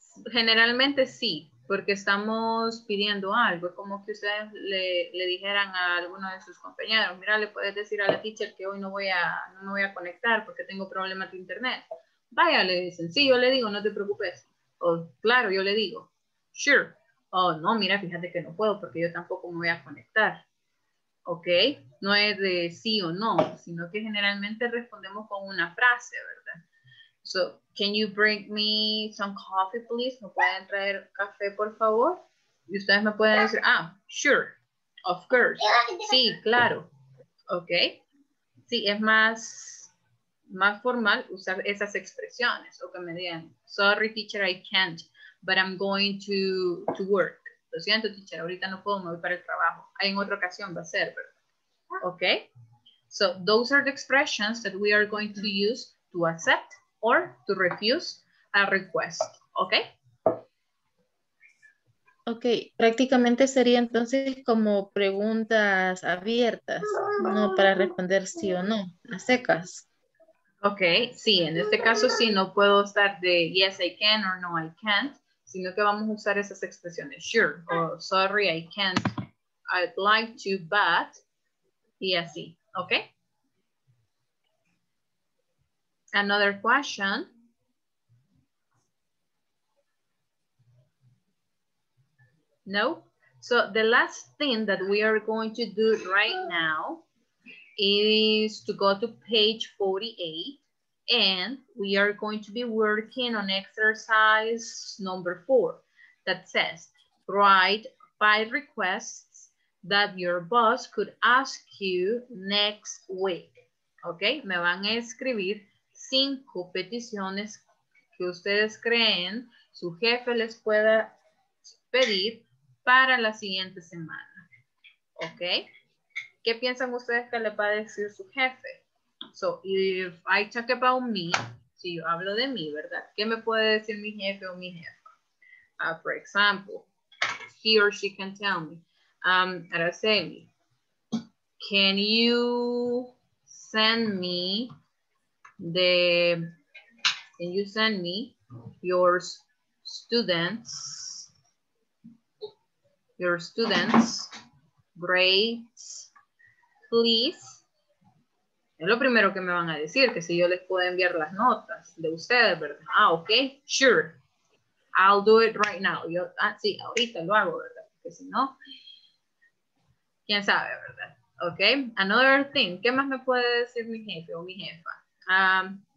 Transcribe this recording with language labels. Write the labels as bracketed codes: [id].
[es] Generalmente sí, porque estamos pidiendo algo, como que ustedes le dijeran a alguno de sus compañeros, mira, le puedes decir a la teacher que hoy no voy a conectar porque tengo problemas de internet. Vaya, le dicen, sí, yo le digo, no te preocupes. O, claro, yo le digo, sure. O, no, mira, fíjate que no puedo porque yo tampoco me voy a conectar. ¿Ok? No es de sí o no, sino que generalmente respondemos con una frase, ¿verdad? [en] So, can you bring me some coffee, please? [es] ¿Me pueden traer café, por favor? Y ustedes me pueden decir, [en] ah, sure, of course. [es] Sí, claro. ¿Ok? Sí, es más formal usar esas expresiones. O que me digan, [en] sorry, teacher, I can't, but I'm going to work. [es] Lo siento, teacher, ahorita no puedo, me voy para el trabajo. Ahí en otra ocasión va a ser, ¿verdad? ¿Ok? [en] So, those are the expressions that we are going to use to accept or to refuse a request, okay? [es] Ok, prácticamente sería entonces como preguntas abiertas, no para responder sí o no, a secas. Ok, sí, en este caso sí, no puedo estar de [en] yes I can or no I can't, [es] sino que vamos a usar esas expresiones, [en] sure, or sorry I can't, I'd like to, but, [es] y así, ok. [en] Another question. No. So the last thing that we are going to do right now is to go to page 48 and we are going to be working on exercise number 4 that says, write 5 requests that your boss could ask you next week. [es] Okay, me van a escribir 5 peticiones que ustedes creen su jefe les pueda pedir para la siguiente semana. ¿Ok? ¿Qué piensan ustedes que le va a decir su jefe? [en] So, if I talk about me, [es] si yo hablo de mí, ¿verdad? ¿Qué me puede decir mi jefe o mi jefa? [en] For example, he or she can tell me, Araceli, can you send me the, can you send me your students, your students' grades, please. [es] Es lo primero que me van a decir, que si yo les puedo enviar las notas de ustedes, ¿verdad? [en] Ah, ok, sure. I'll do it right now. [es] Yo, ah, sí, ahorita lo hago, ¿verdad? Porque si no, quién sabe, ¿verdad? [en] Ok, another thing. [es] ¿Qué más me puede decir mi jefe o mi jefa?